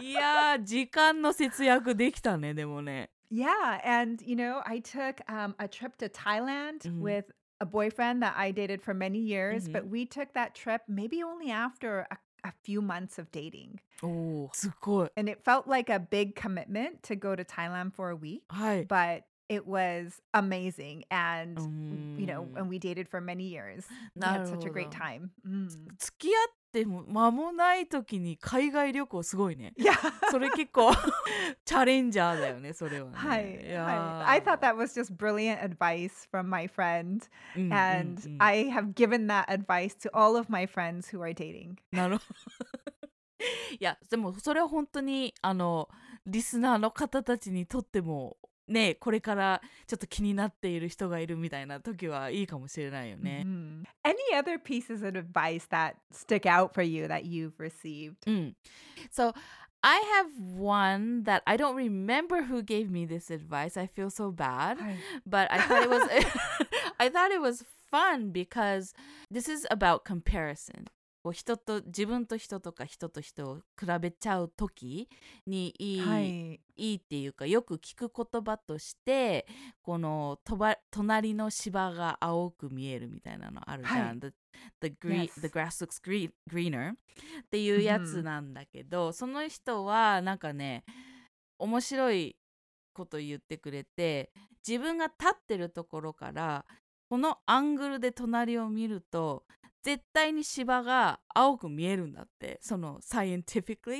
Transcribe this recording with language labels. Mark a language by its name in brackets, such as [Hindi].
[Japanese] いや、時間の節約できたね、でもね。 [English] Yeah, and you know, I took a trip to Thailand mm-hmm. with a boyfriend that I dated for many years, mm-hmm. but we took that trip maybe only after a few months of dating. [Japanese] Oh, すごい. [English] And it felt like a big commitment to go to Thailand for a week, [Japanese] はい. [English] but it was amazing. And, you know, and we dated for many years. [Japanese] なるほど. [English] We had such a great time. Mm. [Japanese] 付き合っても間もない時に海外旅行すごいね。 [English] Yeah. [Japanese] それ結構チャレンジャーだよね、それはね。はい。はい。 [English] I thought that was just brilliant advice from my friend. And I have given that advice to all of my friends who are dating. [Japanese] なるほど。いや、でもそれは本当にあのリスナーの方たちにとってもね、これからちょっと気になっている人がいるみたいな時はいいかもしれないよね。 Mm-hmm. [English] Any other pieces of advice that stick out for you that you've received? So, I have one that I don't remember who gave me this advice. I feel so bad. But I thought it was fun because this is about comparison. [Japanese] 人と自分と人とか人と人を比べちゃう時にいい、はい、いいっていうかよく聞く言葉としてこの隣の芝が青く見えるみたいなのあるじゃん、はい、 [English] the grass looks greener [Japanese] っていうやつなんだけど、うん、その人はなんかね面白いこと言ってくれて自分が立ってるところからこのアングルで隣を見ると絶対に芝が青く見えるんだってそのサイエンティフィクリ